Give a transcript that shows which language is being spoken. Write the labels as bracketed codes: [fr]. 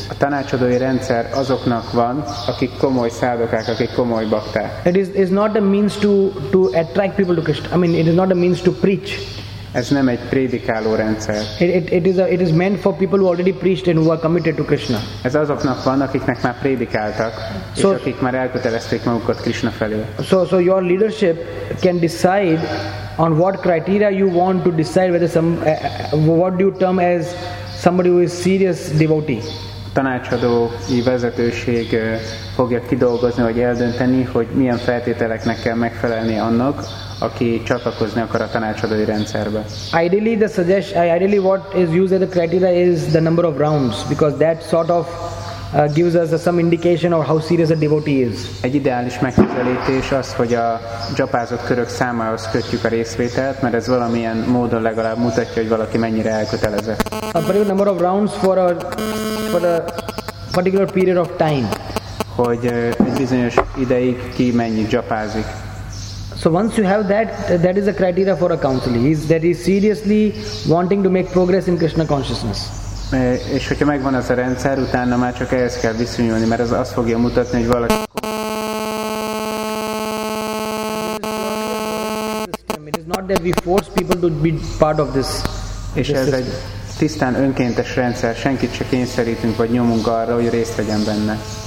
[hu] A tanácsadói rendszer azoknak van, akik komoly szádokák, akik komoly bakták. [en] It is not a means to attract people to Krishna. I mean, it is not a means to preach. [hu] Ez nem egy prédikáló rendszer. [en] It is meant for people who already preached and who are committed to Krishna. [hu] Ez azoknak van, akiknek már prédikáltak, so, és akik már elkötelezték magukat Krishna felé. [en] So your leadership can decide on what criteria you want to decide whether what do you term as somebody who is serious devotee. [hu] Tanácsadói vezetőség fogja kidolgozni, vagy eldönteni, hogy milyen feltételeknek kell megfelelni annak, aki csatlakozni akar a tanácsadói rendszerbe. [en] Ideally what is used as a criteria is the number of rounds, because that sort of gives us some indication of how serious a devotee is. [hu] Egy ideális megközelítés az, hogy a japázott körök számához kötjük a részvételt, mert ez valamilyen módon legalább mutatja, hogy valaki mennyire elkötelezett. [en] A particular number of rounds for a particular period of time. [hu] Hogy egy bizonyos ideig ki mennyit japázik. [en] So once you have that is a criteria for a counselee. He is that he is seriously wanting to make progress in Krishna consciousness. [hu] És hogyha megvan ez a rendszer, utána már csak ehhez kell viszonyulni, mert ez azt fogja mutatni, hogy valaki. [en] It is not that we force people to be part of this. [hu] És ez egy tisztán önkéntes rendszer, senkit se kényszerítünk vagy nyomunk arra, hogy részt vegyen benne.